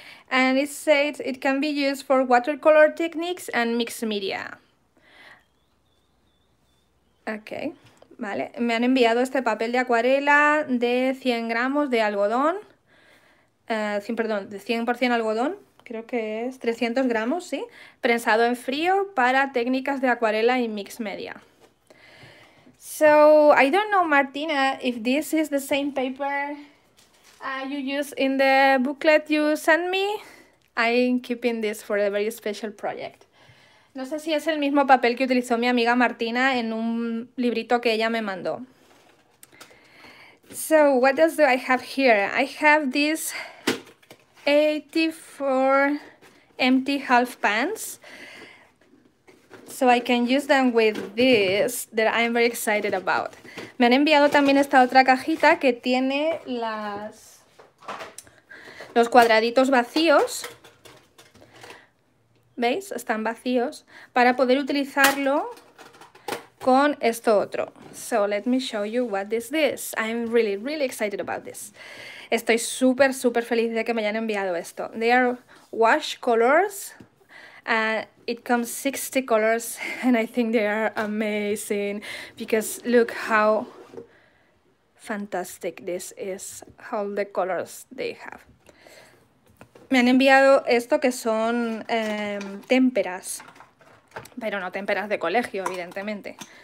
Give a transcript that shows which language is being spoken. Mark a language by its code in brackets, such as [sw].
[en] And it says it can be used for watercolor techniques and mixed media. [es] Okay, vale. Me han enviado este papel de acuarela de 100 gramos de algodón. 100, perdón, de 100% algodón. Creo que es 300 gramos, sí. Prensado en frío para técnicas de acuarela y mixed media. [en] So, I don't know, Martina, if this is the same paper you use in the booklet you sent me. I'm keeping this for a very special project. [es] No sé si es el mismo papel que utilizó mi amiga Martina en un librito que ella me mandó. [en] So, what else do I have here? I have this 84 empty half pans. So I can use them with this that I'm very excited about. [es] Me han enviado también esta otra cajita que tiene los cuadraditos vacíos. ¿Veis? Están vacíos. Para poder utilizarlo con esto otro. [en] So let me show you what this is. I'm really, really excited about this. [es] Estoy súper, súper feliz de que me hayan enviado esto. [en] They are wash colors. It comes 60 colors and I think they are amazing because look how fantastic this is, all the colors they have. [es] Me han enviado esto que son témperas, pero no témperas de colegio, evidentemente.